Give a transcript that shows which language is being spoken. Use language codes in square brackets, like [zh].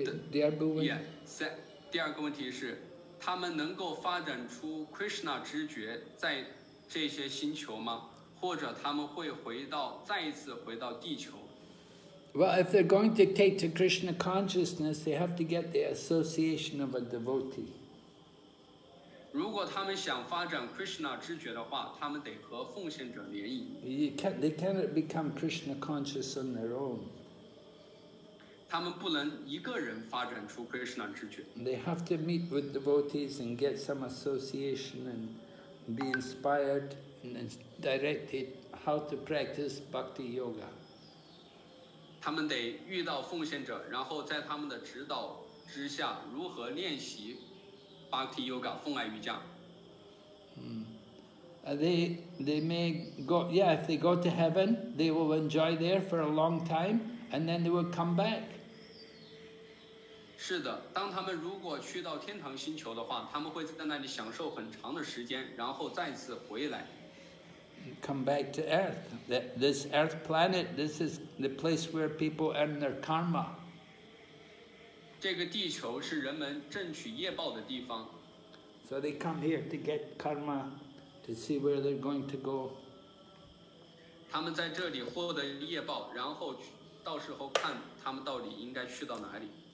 [zh] 第二个问题是，他们能够发展出 Krishna 知觉在。这些星球吗？或者他们会再一次回到地球 [en] ？Well, if they're going to take to Krishna consciousness, they have to get the association of a devotee. [zh] 如果他们想发展 Krishna 知觉的话，他们得和奉献者联谊。 [en] They cannot become Krishna conscious on their own. [zh] 他们不能一个人发展出 Krishna 知觉。 [en] They have to meet with devotees and get some association and. Be inspired and directed how to practice bhakti yoga. [zh] 他们得遇到奉献者，然后在他们的指导之下，如何练习 bhakti yoga 奉爱瑜伽。 [en] They may go. Yeah, if they go to heaven, they will enjoy there for a long time, and then they will come back. [zh] 是的，当他们如果去到天堂星球的话，他们会在那里享受很长的时间，然后再次回来。 [en] Come back to Earth. This Earth planet, this is the place where people earn their karma. [zh] 这个地球是人们挣取业报的地方。 [en] So they come here to get karma, to see where they're going to go. [zh] 他们在这里获得业报，然后去到时候看他们到底应该去到哪里。